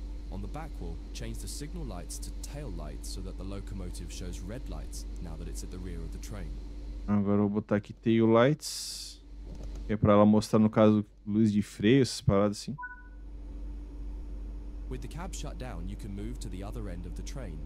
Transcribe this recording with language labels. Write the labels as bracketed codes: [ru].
[en] On the back wall, change the signal lights to tail lights so that the locomotive shows red lights now that it's at the rear of the train. [pt] Agora vou botar aqui tail lights, que é para ela mostrar no caso luz de freio, essas paradas assim. [en] With the cab shut down, you can move to the other end of the train.